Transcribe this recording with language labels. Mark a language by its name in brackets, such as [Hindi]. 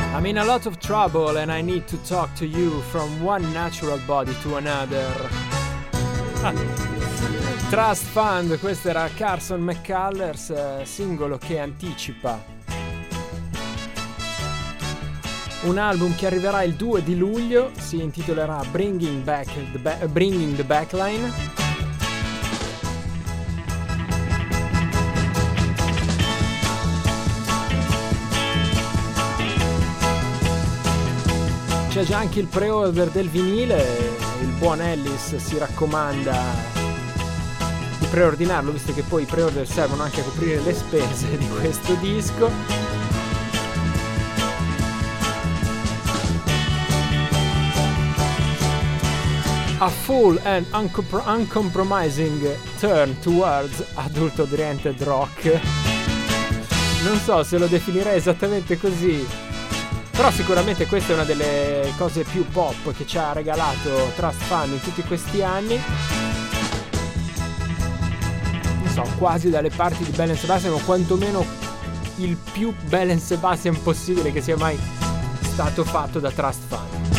[English] in a lot of trouble and I need to talk to you from one natural body to another. [Italian] Trust Fund, questo era Carson McCullers, singolo che anticipa un album che arriverà il 2 di luglio, si intitolerà Bringing the Backline. C'è già anche il pre-order del vinile, il buon Ellis si raccomanda di preordinarlo, visto che poi i pre-order servono anche a coprire le spese di questo disco. [English] A full and uncompromising turn towards adult-oriented rock. [Italian] Non so se lo definirei esattamente così, però sicuramente questa è una delle cose più pop che ci ha regalato Trust Fund in tutti questi anni. Non so, quasi dalle parti di Belle and Sebastian, o quantomeno il più Belle and Sebastian possibile che sia mai stato fatto da Trust Fund.